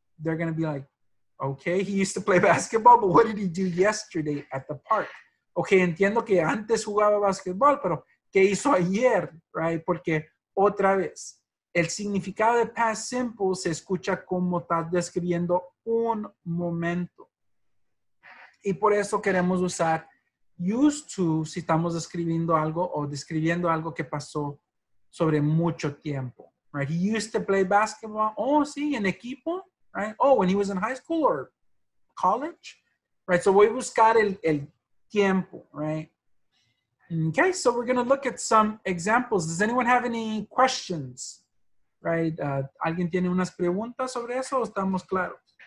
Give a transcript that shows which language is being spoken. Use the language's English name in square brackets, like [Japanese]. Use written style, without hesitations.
[English] They're going to be like, okay, he used to play basketball, but what did he do yesterday at the park? [Spanish] Okay, entiendo que antes jugaba basketball, pero ¿qué hizo ayer? Right? Porque, otra vez, el significado de past simple se escucha como estás describiendo un momento. Y por eso queremos usar used to si estamos describiendo algo o describiendo algo que pasó sobre mucho tiempo. [English] Right, he used to play basketball. [Spanish] Oh, sí, en equipo, [English] right? Oh, when he was in high school or college, right? So [Spanish] voy a buscar el tiempo, [English] right? Okay, so we're going to look at some examples. Does anyone have any questions, right? [Spanish] ¿Alguien tiene unas preguntas sobre eso o estamos claros?